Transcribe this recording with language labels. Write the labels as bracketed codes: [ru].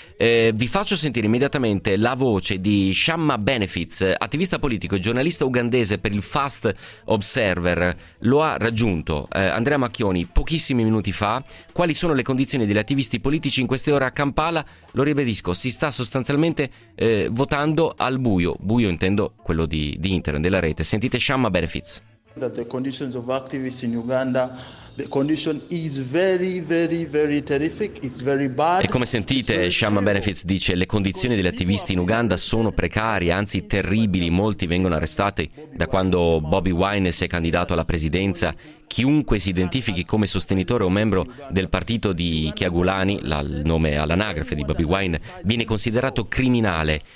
[it] Vi faccio sentire immediatamente la voce di Shamma Benefits, attivista politico e giornalista ugandese per il Fast Observer. Lo ha raggiunto Andrea Macchioni pochissimi minuti fa. Quali sono le condizioni degli attivisti politici in queste ore a Kampala? Lo ribadisco, si sta sostanzialmente votando al buio. Buio intendo quello di internet, della rete. Sentite Shamma Benefits. [en] That the conditions of activists in Uganda, the condition is very, very, very terrific. It's very bad. [it] E come sentite, Shamma Benefits dice: le condizioni degli attivisti in Uganda sono precarie, anzi terribili. Molti vengono arrestati da quando Bobi Wine si è candidato alla presidenza. Chiunque si identifichi come sostenitore o membro del partito di Kyagulani, il nome all'anagrafe di Bobi Wine, viene considerato criminale.